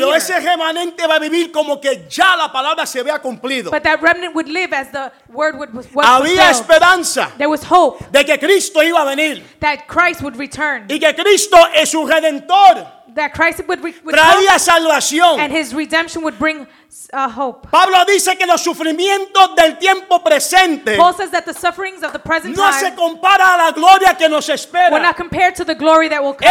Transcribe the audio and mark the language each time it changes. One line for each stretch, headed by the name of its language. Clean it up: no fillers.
Spanish: Pero ese remanente va a vivir como que ya la palabra se había cumplido.
English: But that remnant would live as the word would was fulfilled.
Spanish: Había esperanza.
English: There was hope.
Spanish: De que Cristo iba a venir.
English: That Christ would return.
Spanish: Y que Cristo es un redentor.
English: That Christ would
Spanish: salvación.
English: And his redemption would bring hope.
Spanish: Pablo dice que los sufrimientos del tiempo presente
English: Paul says that the sufferings of the present
Spanish: no
English: time
Spanish: se compara a la gloria que nos espera.
English: Were not compared to the glory that will come.